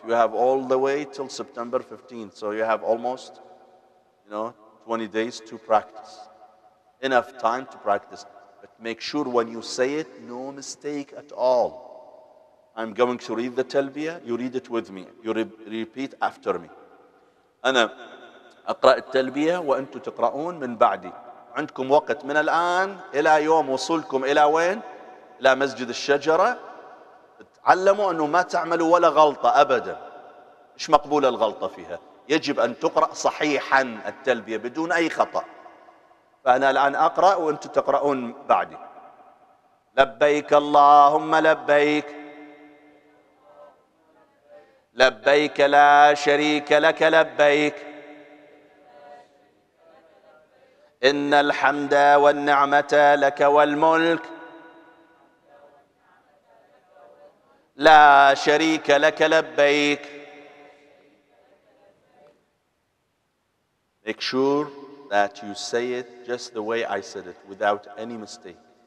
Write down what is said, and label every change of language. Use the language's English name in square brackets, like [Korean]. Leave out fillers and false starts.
[English] You have all the way till September 15th. So you have almost, you know, 20 days to practice. Enough time to practice. But make sure when you say it, no mistake at all. I'm going to read the talbiyah. You read it with me. You repeat after me. [Arabic] أنا أقرأ التلبية وأنتم تقرأون من بعدي. عندكم وقت من الآن إلى يوم وصولكم إلى وين؟ إلى مسجد الشجرة. تعلموا أنه ما تعملوا ولا غلطة أبدا. مش مقبولة الغلطة فيها. يجب أن تقرأ صحيحا التلبية بدون أي خطأ. فأنا الآن أقرأ وأنتم تقرؤون بعدي. لبيك اللهم لبيك لبيك لا شريك لك لبيك إن الحمد والنعمة لك والملك لا شريك لك لبيك. [English] Make sure that you say it just the way I said it, without any mistake.